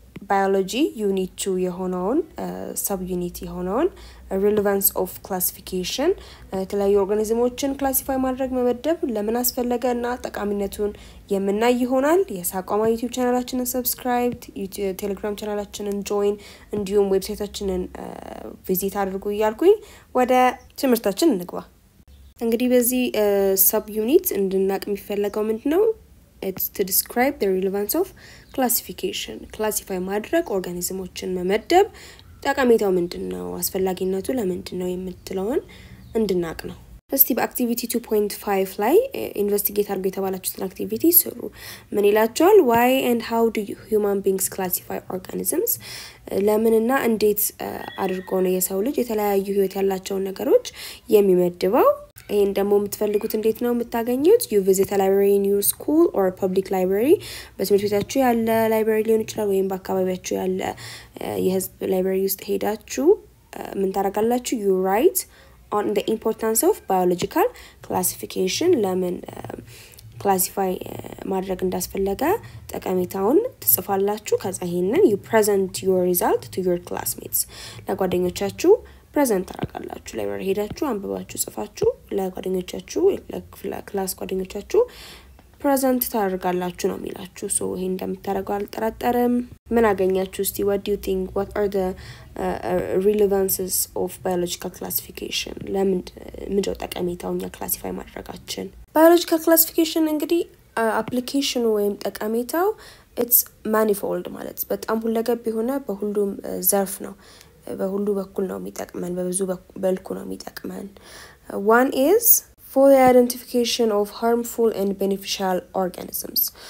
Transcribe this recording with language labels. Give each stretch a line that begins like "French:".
Amharic: ባዮሎጂ ዩኒት 2 የሆነውን ሰብ ዩኒት የሆነውን relevance of classification ተለያዩ ኦርጋኒዝሞችን ክላሲፋይ ማድረግ መበደብ ለምን አስፈለገ እና ጠቃሚነቱን የምናይ ይሆናል። የሳቋማ ዩቲዩብ ቻናላችንን ሰብስክራይብ፣ ቴሌግራም ቻናላችንን ጆይን እንዲሁም ዌብሳይታችንን ቪዚት አድርጉ ይያልኩኝ። ወደ ትምህርታችን እንግባ። እንግዲህ በዚህ ሰብ ዩኒት እንድናቅ የሚፈልገው ምንድነው?
English: It's to describe the relevance of classification.
Amharic: Classify ማድረግ ኦርጋኒዝሞችን መመደብ ጠቃሚታው ምንድነው? አስፈላጊነቱ ለምንድነው የምትለውን እንድናቅ ነው። እስቲ በአክቲቪቲ 2.5 ላይ ኢንቨስቲጌት አድርጉ የተባላችሁትን አክቲቪቲ ስሩ። ምን ይላችኋል?
English: Why and how do human beings classify organisms?
Amharic: ለምንና እንዴት አድርጎ ነው የሰው ልጅ የተለያየ ህይወት ያላቸውን ነገሮች የሚመድበው? ይሄን ደግሞ የምትፈልጉት እንዴት ነው የምታገኙት?
English: You visit a library in your school or a public library.
Amharic: በትምህርት ቤታችሁ ያለ ላይብረሪ ሊሆን ይችላል ወይም በአካባቢያችሁ ያለ የህዝብ ላይብረሪ ውስጥ ሄዳችሁ ምን ታረጋላችሁ?
English: You write on the importance of biological classification.
Amharic: ለምን classify ማድረግ እንዳስፈለገ ጠቀሜታውን ትጽፋላችሁ። ከዛ ይሄንን
English: you present your result to your classmates.
Amharic: ለጓደኞቻችሁ present አረጋላችሁ። ላይብረሪ ሄዳችሁ አንብባችሁ ጽፋችሁ ለጓደኞቻችሁ ለክላስ ጓደኞቻችሁ present ታረጋላችሁ ነው የሚላችሁ። so ይሄን እንደምታረጋው አልጠራጠርም። ምን አገኛችሁ እስቲ?
English: what do you think, what are the relevances of biological classification?
Amharic: ለምን ምንድነው ጠቀሜታው እኛ classify ማድረጋችን? biological classification እንግዲህ application ወይም ጠቀሜታው
English: it's manifold
Amharic: ማለት በጣም ሁለገብ የሆነ በሁሉም ዘርፍ ነው በሁሉ በኩል ነው የሚጠቅመን በብዙ በልኩ ነው የሚጠቅመን።
English: one is for the identification of harmful and beneficial organisms.